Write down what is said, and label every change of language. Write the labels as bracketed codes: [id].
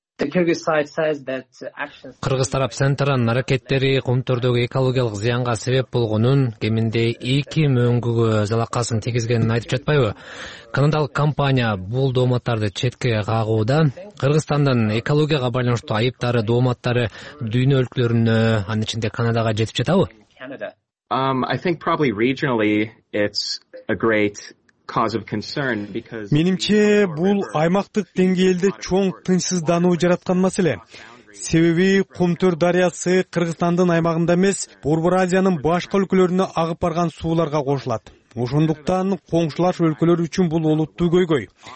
[ky] Кыргыз тарап Сентеранын аракеттери Кумтурдогу экологиялык зыянга себеп болгонун, кеминде 2 мөңгүгө залакасын тийгизгенин айтып жатпайбы? Канадалык компания бул дооматтарды четке кагууда, Кыргызстандын экологияга байланыштуу айыптары, дооматтары дүйнө өлкөлөрүнө, анын ичинде Канадага жетип жатабы? [en] I think probably regionally it's a great cause of concern because [ky] менимче бул аймактык деңгээлде чоң тынчсыздануу жараткан маселе. Себеби Кумтур дарыясы Кыргызстандын аймагында эмес, Борбор Азиянын башка өлкөлөрүнө агып барган сууларга кошулат. Ошондуктан коңшулаш өлкөлөр үчүн бул олуттуу көйгөй.